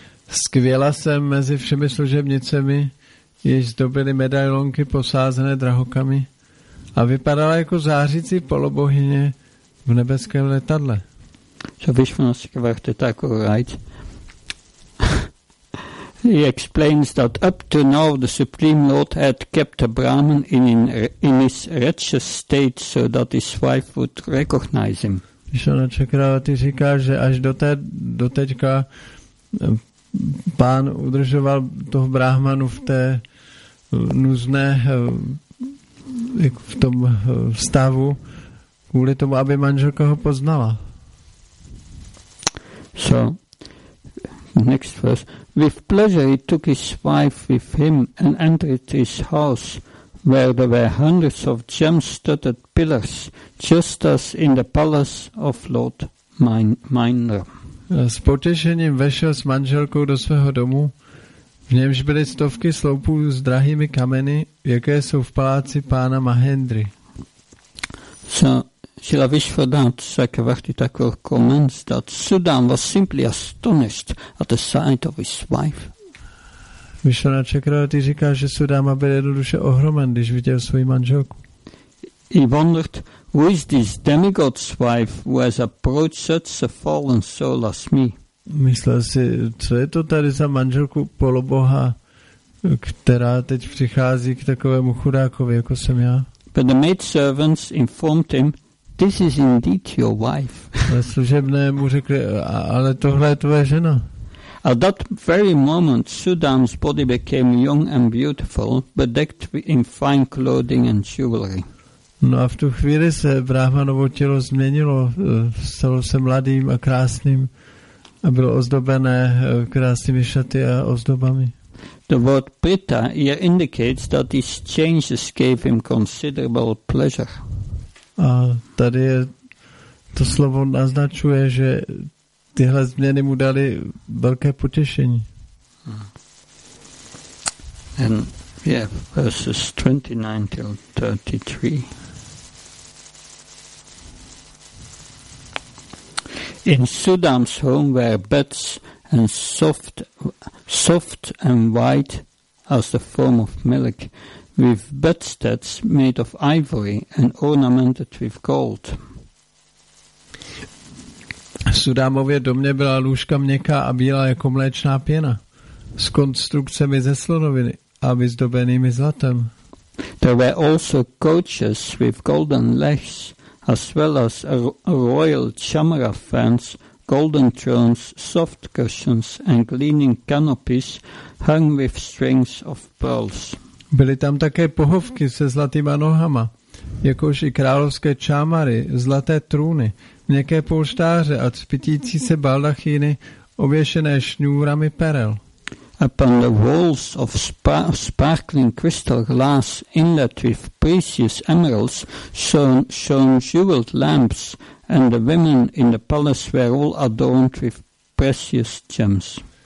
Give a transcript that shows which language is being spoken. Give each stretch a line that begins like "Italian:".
Czech: Skvěla se mezi všemi služebnicemi, jež zdobily medailonky posázené drahokamy a vypadala jako zářící polobohyně v nebeském letadle.
English: So Vishvanatha Chakravarti Thakur writes, he explains that up to now the Supreme Lord had kept a Brahman in his wretched state so that his wife would recognize him.
Czech: Vishvanatha Chakravarti říká, že až doteďka pán udržoval toho Brahmanu v té nuzné v tom stavu kvůli tomu, aby manželka ho poznala.
English: So, next verse. With pleasure he took his wife with him and entered his house, where there were hundreds of gem-studded pillars, just as in the palace of Lord Mainra.
Czech: S potěšením vešel s manželkou do svého domu, v němž byly stovky sloupů s drahými kameny, jaké jsou v paláci pána Mahendry.
English: So, Srila Vishvanatha Chakravarti Thakur comments that Sudan was simply astonished at the sight of his wife.
Czech: Vishvanatha Chakravarti říká, že Sudama byl jednoduše ohromen, když viděl svou manželku.
English: He wondered, who is this demigod's wife who has approached such a fallen soul as me?
Czech: Myslel si, co je to tady za manželku poloboha, která teď přichází k takovému chudákovi, jako jsem já.
English: But the maid servants informed him, this is indeed your wife.
Czech: Ale služebné mu řekli, ale tohle je tvoje žena.
English: At that very moment, Sudan's body became young and beautiful, bedecked in fine clothing and jewelry.
Czech: No a v tu chvíli se Brahmanovo tělo změnilo, stalo se mladým a krásným a bylo ozdobené krásnými šaty a ozdobami.
English: The word pita here indicates that these changes gave him considerable pleasure.
Czech: A tady je, to slovo naznačuje, že tyhle změny mu dali velké potěšení.
English: And yeah, verses 29 till 33. In Sudam's home were beds and soft and white as the foam of milk, with bedsteads made of ivory and ornamented with gold.
Czech: V Sudámově domě byla lůžka měkká a bílá jako mléčná pěna, s konstrukcemi ze slonoviny a vyzdobenými zlatem.
English: There were also couches with golden legs, as well as a royal chamara fans, golden thrones, soft cushions and gleaming canopies hung with strings of pearls.
Czech: Byly tam také pohovky se zlatýma nohama, jakož i královské čámary, zlaté trůny, měkké polštáře a cpitící se baldachýny ověšené šňůrami perel.
English: Upon the walls of sparkling crystal glass inlaid with precious emeralds shone jeweled lamps, and the women in the palace were all adorned with precious gems.